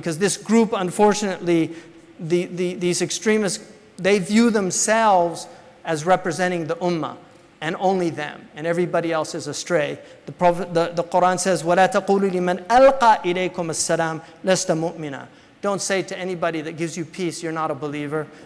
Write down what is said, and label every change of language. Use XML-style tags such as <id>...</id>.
<en>Because this group, unfortunately, these extremists, they view themselves as representing the ummah. And only them, and everybody else is astray. The Prophet, the Quran says,</en> <ar>وَلَا تَقُولُوا لِمَنْ أَلْقَى إِلَيْكُمَ السَّلَامُ لَسْتَ مُؤْمِنًا.</ar> <en>Don't say to anybody that gives you peace, you're not a believer.</en>